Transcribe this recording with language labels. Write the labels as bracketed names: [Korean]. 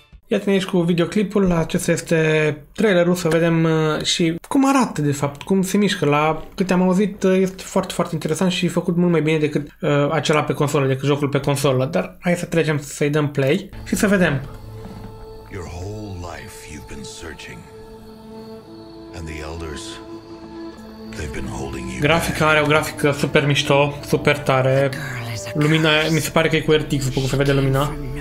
[Romanian] Iată-ne aici cu videoclipul, acesta este trailerul, să vedem și cum arată, de fapt, cum se mișcă. La câte am auzit, este foarte, foarte interesant și făcut mult mai bine decât acela pe consolă, decât jocul pe consolă. Dar hai să trecem să-i dăm play și să vedem. [English] Your whole life you've been searching. And the elders, they've been holding you. [Romanian] Grafica are o grafică super mișto, super tare. Lumina, mi se pare că e cu RTX, după cum se vede lumina.